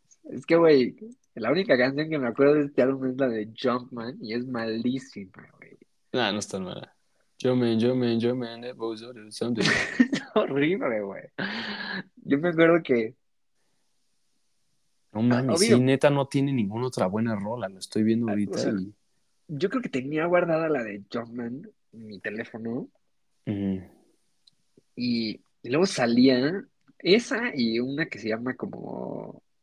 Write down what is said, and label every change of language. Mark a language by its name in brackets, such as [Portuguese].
[Spanish] Es que, güey, la única canción que me acuerdo de este álbum es la de Jumpman y es malísima, güey. Nah, no está mala. [English] Jumpman, it was something. [Spanish] Horrible, güey. Yo me acuerdo que... No mames, obvio. Sí, neta, no tiene ninguna otra buena rola. Lo estoy viendo ahorita. O sea, y... Yo creo que tenía guardada la de Jumpman en mi teléfono. Y luego salía esa y una que se llama como...